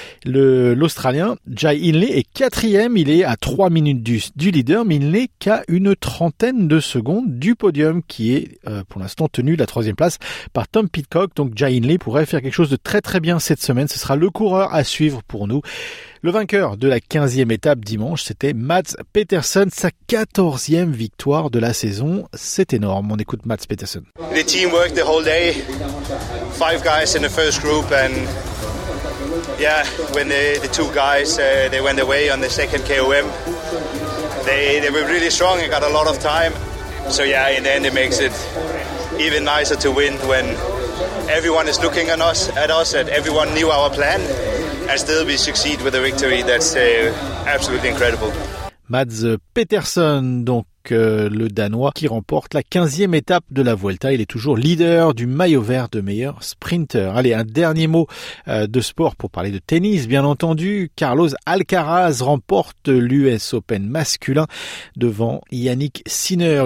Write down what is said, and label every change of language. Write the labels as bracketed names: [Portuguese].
[French] L'Australien, Jai Hindley, est quatrième. Il est à 3 minutes du leader, mais il n'est qu'à une trentaine de secondes du podium qui est pour l'instant tenu la troisième place par Tom Pidcock. Donc Jai Hindley pourrait faire quelque chose de très très bien cette semaine. Ce sera le coureur à suivre pour nous. Le vainqueur de la 15e étape dimanche, c'était Mats Pettersson, sa 14e victoire de la saison. C'est énorme. On écoute Mats Pettersson. [English] The team worked the whole day. Five guys in the first group and yeah, when the two guys they went away on the second KOM, they were really strong and got a lot of time. So yeah, in the end it makes it even nicer to win when everyone is looking at us and everyone knew our plan. And still we succeed with a victory that's absolutely incredible. [French] Mads Pettersson, donc le Danois, qui remporte la 15e étape de la Vuelta. Il est toujours leader du maillot vert de meilleur sprinter. Allez, un dernier mot de sport pour parler de tennis, bien entendu. Carlos Alcaraz remporte l'US Open masculin devant Yannick Sinner.